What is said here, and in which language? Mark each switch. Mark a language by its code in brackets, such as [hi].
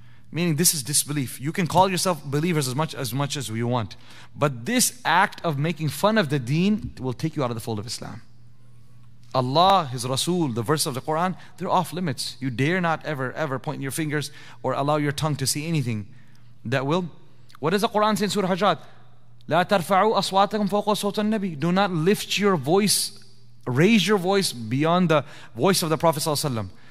[en] Meaning this is disbelief. You can call yourself believers as much as you want. But this act of making fun of the deen will take you out of the fold of Islam. Allah, His Rasul, the verse of the Quran, they're off limits. You dare not ever point your fingers or allow your tongue to see anything that will... What does the Quran say in Surah Hajjat? [ar] لا ترفعوا أصواتكم فوق صوت النبي. [en] Do not lift your voice, raise your voice beyond the voice of the Prophet ﷺ.